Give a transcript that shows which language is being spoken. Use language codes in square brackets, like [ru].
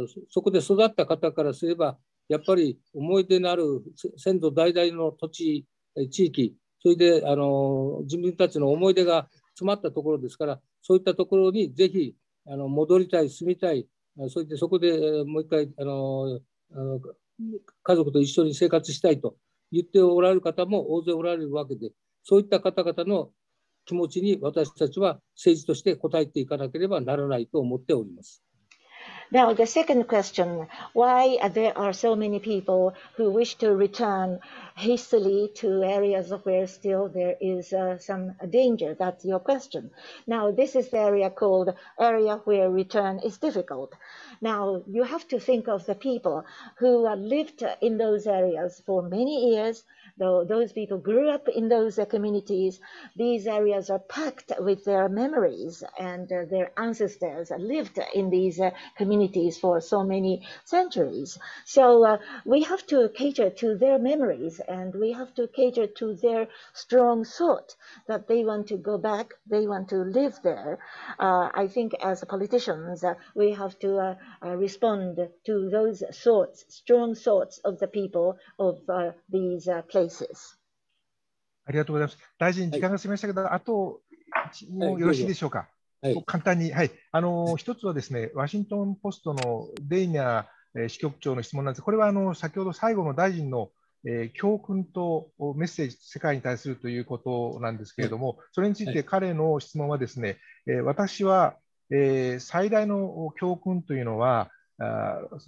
[ja] そこで育った方からすれば、やっぱり思い出のある先祖代々の土地、地域、それで自分たちの思い出が詰まったところですから、そういったところにぜひ戻りたい、住みたい、それでそこでもう一回家族と一緒に生活したいと言っておられる方も大勢おられるわけで、そういった方々の気持ちに私たちは政治として応えていかなければならないと思っております。 [en] Now, the second question, why there are so many people who wish to return hastily to areas where still there is some danger? That's your question. Now, this is the area called area where return is difficult. Now, you have to think of the people who lived in those areas for many years. Those people grew up in those communities. These areas are packed with their memories, and their ancestors lived in these communities for so many centuries. So we have to cater to their memories, and we have to cater to their strong thought that they want to go back, they want to live there. I think as politicians, we have to respond to those thoughts, strong thoughts of the people of these places. [ja] ありがとうございます。大臣、時間が過ぎましたけど、はい、あと1問よろしいでしょうか。はい、簡単に、はい、一つはですね、ワシントンポストのデイニャ支局長の質問なんです。これは先ほど最後の大臣の、教訓とメッセージ、世界に対するということなんですけれども、はい、それについて彼の質問はですね、はい、私は、最大の教訓というのは、原